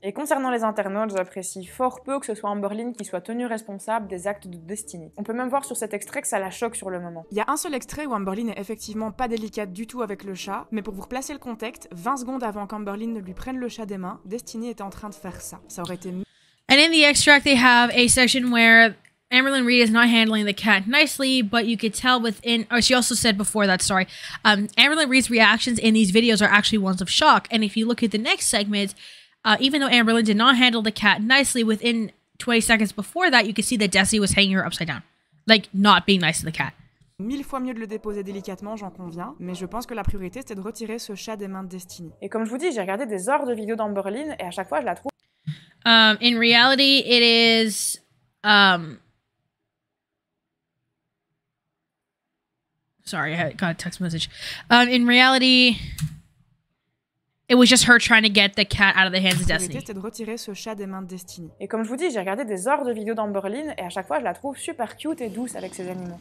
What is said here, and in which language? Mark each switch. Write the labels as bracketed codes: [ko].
[fr] Et concernant les internautes, j'apprécie fort peu que ce soit Amberlynn qui soit tenue responsable des actes de Destiny. On peut même voir sur cet extrait que ça la choque sur le moment. Il y a un seul extrait où Amberlynn est effectivement pas délicate du tout avec le chat, mais pour vous replacer le contexte, 20 secondes avant qu'Amberlynn ne lui prenne le chat des mains, Destiny était en train de faire ça. Ça aurait été mieux. [en] And in the extract, they have a section where Amberlynn Reid is not handling the cat nicely, but you could tell within... Oh, she also said before that, sorry. Amberlynn Reid's reactions in these videos are actually ones of shock. And if you look at the next segment, even though Amberlynn did not handle the cat nicely, within 20 seconds before that, you could see that Desi was hanging her upside down. Like, not being nice to the cat. [fr] Mille fois mieux de le déposer délicatement, j'en conviens, mais je pense que la priorité, c'était de retirer ce chat des mains de Destiny. Et comme je vous dis, j'ai regardé des heures de vidéos d'Amberlynn, et à chaque fois, je la trouve... [en] In reality, it is, sorry, I got a text message. In reality, it was just her trying to get the cat out of the hands of Destiny. [fr] C'était de retirer ce chat des mains de Destiny. Et comme je vous dis, j'ai regardé des heures de vidéos d'Amberlynn, et à chaque fois, je la trouve super cute et douce avec ses animaux.